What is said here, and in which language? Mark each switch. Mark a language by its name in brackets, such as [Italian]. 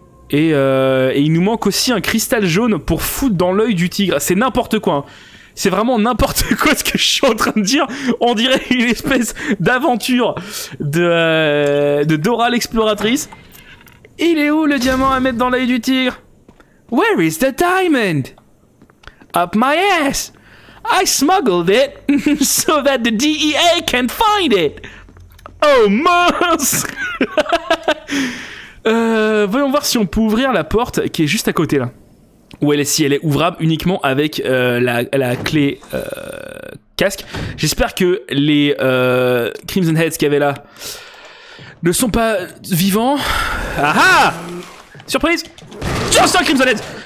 [French] Et il nous manque aussi un cristal jaune pour foutre dans l'œil du tigre. C'est n'importe quoi. C'est vraiment n'importe quoi ce que je suis en train de dire. On dirait une espèce d'aventure de Dora l'exploratrice. Il est où le diamant à mettre dans l'œil du tigre? [English] Where is the diamond? Up my ass. I smuggled it so that the DEA can find it. [French] Oh mince. voyons voir si on peut ouvrir la porte qui est juste à côté là. Ou elle, si elle est ouvrable uniquement avec la clé casque. J'espère que les Crimson Heads qu'il y avait là ne sont pas vivants. Aha! Surprise! Je sens Crimson Heads!